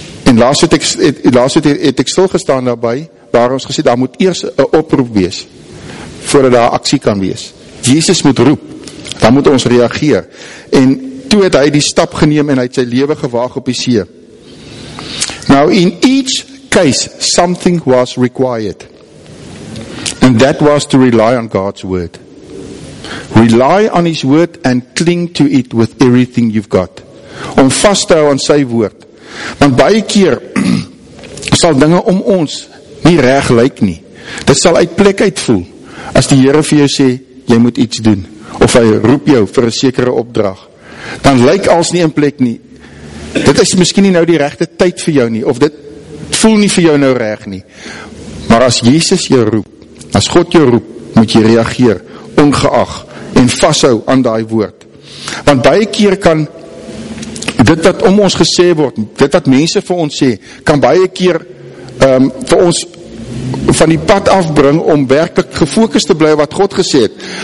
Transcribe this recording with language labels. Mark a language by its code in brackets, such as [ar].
[af] En laatst het ek stilgestaan daarby, waar ons gesê, daar moet eers een oproep wees, voordat daar aksie kan wees. Jesus moet roep, dan moet ons reageer. En toe het hy die stap geneem en hy het sy lewe gewaag op die see. [en] Now, in each case, something was required. And that was to rely on God's word. Rely on his word and cling to it with everything you've got. [af] Om vast te hou aan sy woord. Want baie keer sal dinge om ons nie reg lyk nie. Dit sal uit plek uitvoel as die Here vir jou sê, jy moet iets doen. Of hy roep jou vir 'n sekere opdrag, dan lyk als nie in plek nie, dit is miskien nie nou die regte tyd vir jou nie, of dit voel nie vir jou nou reg nie, maar as Jesus jou roep, as God jou roep, moet jy reageer, ongeag, en vashou aan daai woord, want baie keer kan, dit wat om ons gesê word, dit wat mense vir ons sê, kan baie keer vir ons, van die pad afbring om werkelijk gefokus te bly wat God gesê het.